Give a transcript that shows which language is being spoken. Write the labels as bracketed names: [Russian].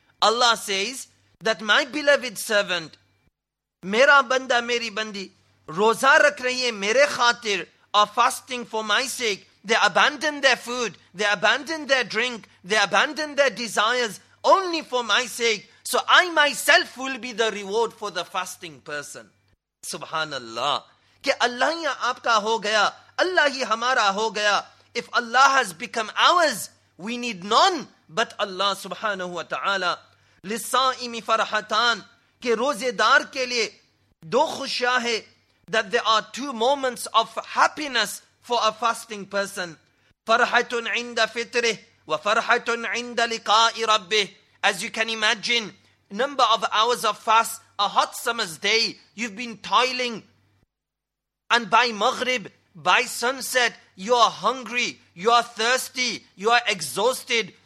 [English] Allah says that my beloved servant, [Urdu] میرا بندہ میری بندی, روزہ رکھ رہی ہیں میرے خاطر, [English] are fasting for my sake. They abandon their food, they abandon their drink, they abandon their desires only for my sake. So I myself will be the reward for the fasting person. Subhanallah. [Urdu] کہ اللہ ہی آپ کا ہو گیا, اللہ ہی ہمارا ہو گیا. [English] If Allah has become ours, we need none but Allah subhanahu wa ta'ala. [Arabic] لِلصَّائِمِ فَرْحَتَان, [Urdu] کہ روزے دار کے لئے دو خوشیاں ہیں. [English] That there are two moments of happiness for a fasting person. [Arabic] فَرْحَةٌ عِنْدَ فِطْرِهِ وَفَرْحَةٌ عِنْدَ لِقَاءِ رَبِّهِ. [English] As you can imagine, number of hours of fast, a hot summer's day, you've been toiling, and by Maghrib, by sunset, you are hungry, you are thirsty, you are exhausted.